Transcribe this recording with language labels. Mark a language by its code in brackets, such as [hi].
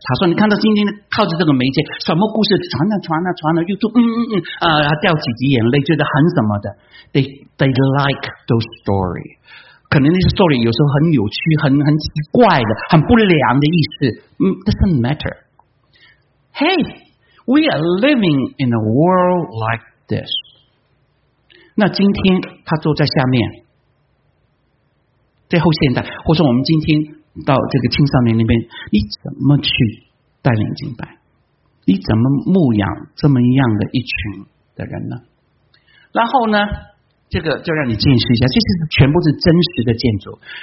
[zh] 他说你看到今天靠着这个媒介什么故事传了 YouTube 掉几滴眼泪，觉得很什么的。 [en] They like those story， [zh] 可能那些 story 有时候很扭曲、很奇怪的、很不良的意思。 [en] Doesn't matter。 [zh] Hey， [en] We are living in a world like this. [zh] 那今天他坐在下面，在后现代，或者我们今天到这个青少年那边，你怎么去带领敬拜？你怎么牧养这么样的一群的人呢？然后呢，这个就让你见识一下，这是全部是真实的建筑。